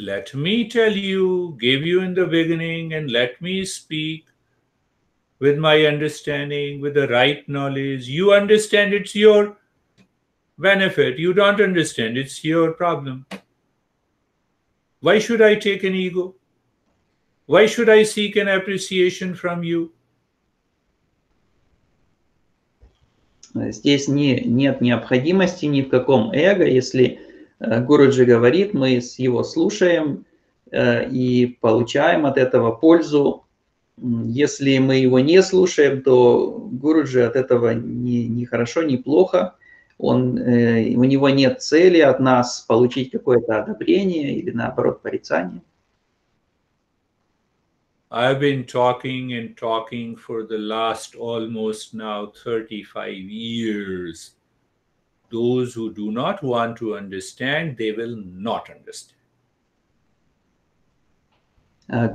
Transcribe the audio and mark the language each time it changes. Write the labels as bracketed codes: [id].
[en] Let me tell you, give you in the beginning, and let me speak with my understanding, with the right knowledge. You understand, it's your benefit. You don't understand, it's your problem. Why should I take an ego? Why should I seek an appreciation from you? [ru] Здесь нет необходимости ни в каком эго. Если Гуруджи говорит, мы его слушаем и получаем от этого пользу. Если мы его не слушаем, то Гуруджи от этого ни хорошо, ни плохо. У него нет цели от нас получить какое-то одобрение или наоборот порицание. [en] I've been talking and talking for the last almost now 35 years. Those who do not want to understand, they will not understand.